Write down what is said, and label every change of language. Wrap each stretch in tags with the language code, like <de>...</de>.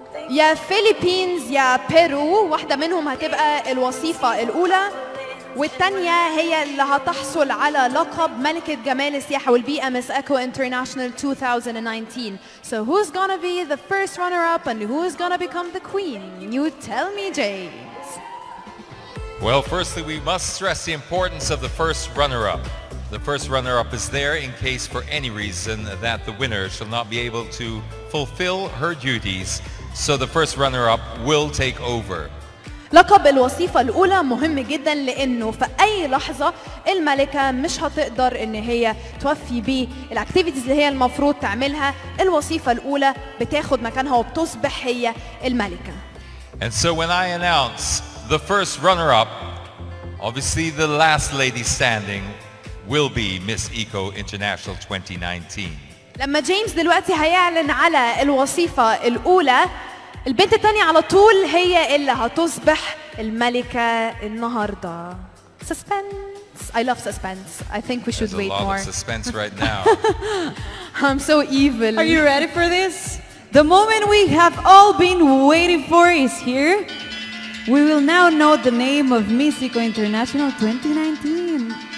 <ar>يا فيلبينز يا بيرو، واحدة منهم هتبقى الوصيفة الأولى والتانية هي اللي هتحصل على لقب ملكة جمال السياحة والبيئة Miss Eco International 2019.</ar> <en>So who's gonna be the first runner-up and who's gonna become the queen? You tell me, Jay. Well, firstly, we must stress the importance of the first runner-up. The first runner-up is there in case for any reason that the winner shall not be able to fulfill her duties. So the first runner-up will take over.</en> <ar>لقب الوصيفة الأولى مهم جدا لأنه في أي لحظة الملكة مش هتقدر إن هي توفي بيه الأكتيفيتيز اللي هي المفروض تعملها. الوصيفة الأولى بتاخد مكانها وبتصبح هي الملكة.</ar> <en>And so when I announce the first runner-up, obviously the last lady standing will be Miss Eco International 2019.</en> <ar>لما جيمس دلوقتي هيعلن على الوصيفة الأولى، البنت الثانية على طول هي اللي هتصبح الملكة النهاردة.</ar> <en>Suspense. I love suspense. I think we should There's wait more. A lot of suspense right now. I'm so evil. Are you ready for this? The moment we have all been waiting for is here. We will now know the name of Miss Eco International 2019.</en>